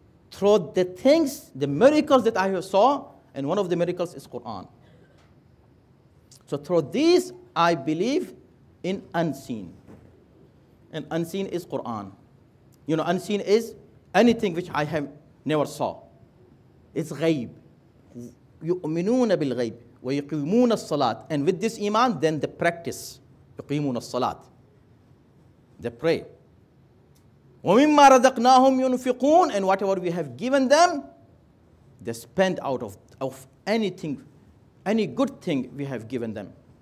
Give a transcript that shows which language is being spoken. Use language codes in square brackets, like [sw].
[en] Through the things, the miracles that I saw, and one of the miracles is Quran. So through these, I believe in unseen. And unseen is Quran. You know, unseen is anything which I have never saw. It's ghaib. [ar] يؤمنون بالغيب ويقيمون الصلاة. [en] And with this iman, then the practice. [ar] يقيمون الصلاة. [en] They pray. [ar] وَمِمَّا رَزَقْنَاهُمْ يُنْفِقُونَ. [en] And whatever we have given them, they spend out of anything, any good thing we have given them.